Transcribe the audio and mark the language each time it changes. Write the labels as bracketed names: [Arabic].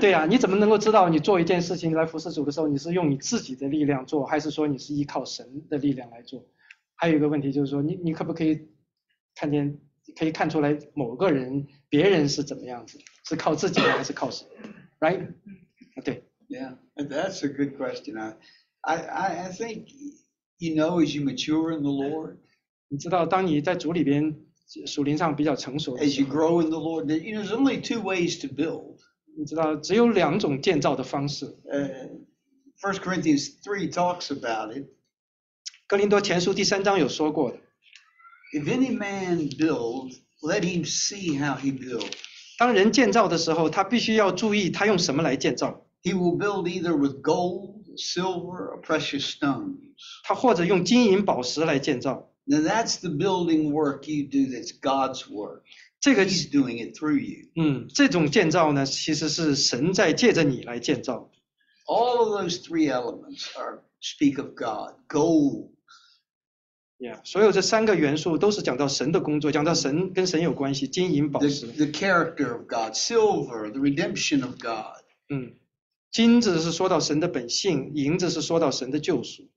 [Chinese] 对呀、啊，你怎么能够知道你做一件事情来服侍主的时候，你是用你自己的力量做，还是说你是依靠神的力量来做？还有一个问题就是说，你可不可以看见，可以看出来某个人、别人是怎么样子，是靠自己还是靠神 ？Right？对。 [English] Yeah, that's a good question. I think you know as you mature in the Lord. [Chinese] 你知道，当你在主里边。属灵上比较成熟的。 [English] As you grow in the Lord, you know, there's only two ways to build. [Chinese] 你知道，只有两种建造的方式。 [English] First Corinthians 3 talks about it. [Chinese] 哥林多前书第三章有说过的。 [English] If any man builds, let him see how he builds. [Chinese] 当人建造的时候，他必须要注意他用什么来建造。 [English] He will build either with gold, silver, or precious stones. [Chinese] 他或者用金银宝石来建造。 [English] Now that's the building work you do. That's God's work. [Chinese] 这个 [English] He's doing it through you. [Chinese] 这种建造呢，其实是神在借着你来建造。 [English] All of those three elements are speak of God. Gold. [Chinese] Yeah, 所有这三个元素都是讲到神的工作，讲到神跟神有关系，金银宝石。 [English] The character of God, silver, the redemption of God. [Chinese] 金子是说到神的本性，银子是说到神的救赎。